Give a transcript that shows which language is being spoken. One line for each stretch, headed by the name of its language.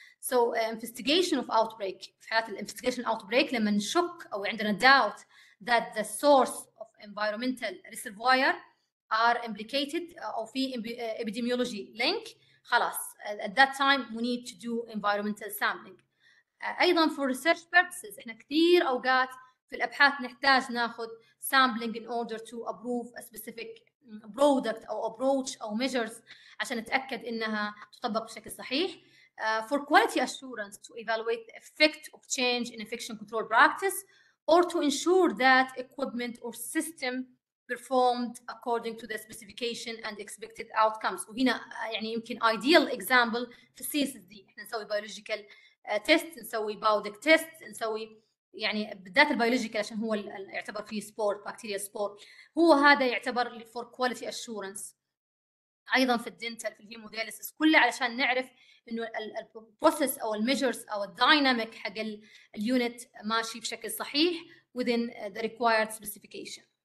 English: So investigation of outbreak. في حالات الانفستيجيشن outbreak لما نشك أو عندنا doubt that the source of environmental reservoir are implicated أو في epidemiology link خلاص at that time we need to do environmental sampling.
Arabic: أيضا for research purposes إحنا كثير أوقات في الأبحاث نحتاج ناخذ sampling in order to approve a specific product أو approach أو measures عشان نتأكد إنها تطبق بشكل صحيح.
English: For quality assurance to evaluate the effect of change in infection control practice or to ensure that equipment or system performed according to the specification and expected outcomes.
Arabic: وهنا يعني يمكن ideal example في CSSD. احنا نسوي biological test, نسوي biodic test, نسوي يعني بالذات biological عشان هو يعتبر فيه spore, bacteria spore. هو هذا يعتبر for quality assurance. ايضا في الدنتال في الهيموداليسيس كله علشان نعرف انه البروسيس او الميجرز او الدايناميك حق اليونت ماشي بشكل صحيح within the required specification.